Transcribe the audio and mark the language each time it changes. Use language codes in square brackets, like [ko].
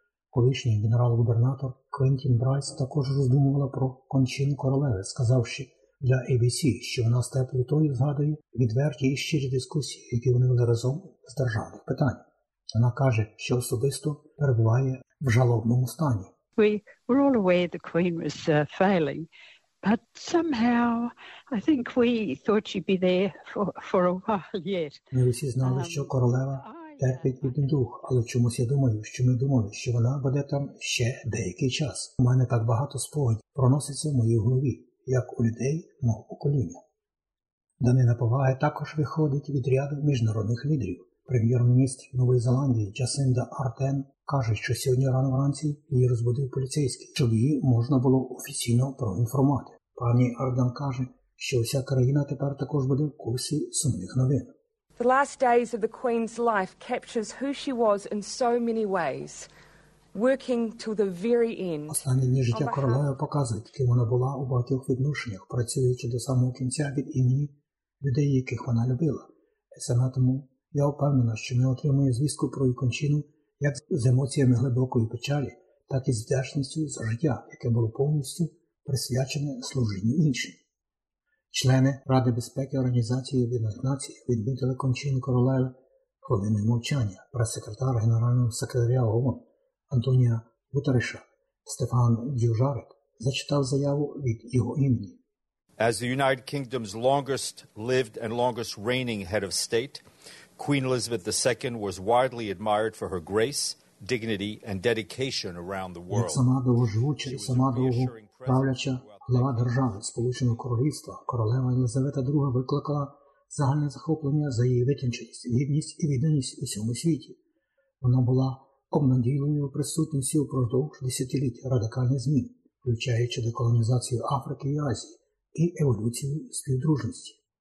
[uk] Колишній генерал-губернатор Квентін Брайс також роздумувала про кончин королеви, сказавши для ABC, що вона з теплотою згадує відверті і щирі дискусії, які вони вели разом з державних питань. Вона каже, що особисто перебуває в жалобному стані. [en] We were all aware the Queen was failing, but somehow I think we thought she'd be there for a while yet. [uk] Ми всі знали, що королева терпить бідний дух, але чомусь я думаю, що ми думали, що вона буде там ще деякий час. У мене так багато спогадів проноситься в моїй голові, як у людей мого покоління. Данина поваги також виходить від ряду міжнародних лідерів. Прем'єр-міністр Нової Зеландії Джасинда Ардерн каже, що сьогодні рано вранці її розбудив поліцейський, щоб її можна було офіційно проінформувати. Пані Ардерн каже, що вся країна тепер також буде в курсі сумних новин. [en] The last days of the Queen's life captures who she was in so many ways. Working to the very end. [uk] Останні дні життя королеви показують, ким вона була у багатьох відношеннях, працюючи до самого кінця від імені людей, яких вона любила. Саме тому я впевнена, що ми отримуємо звістку про її кончину як з емоціями глибокої печалі, так і з вдячністю за життя, яке було повністю присвячене служінню іншим. Члени Ради безпеки Організації Об'єднаних Націй відмітили кончину королеви хвилиною мовчання. Прес-секретар Генерального секретаря ООН Антонія Гутереша Стефан Дюжарик зачитав заяву від його імені. [en] As the United Kingdom's longest lived and longest reigning head of state, Queen Elizabeth II was widely admired for her grace, dignity and dedication around the world. [uk] Сама довгоживуча і сама довго правляча глава держави Сполученого Королівства, королева Елизавета II викликала загальне захоплення за її витонченість, гідність і відданість у всьому світі. Вона була обнадійливою присутністю впродовж десятиліть радикальних змін, включаючи деколонізацію Африки і Азії і еволюцію співдружності.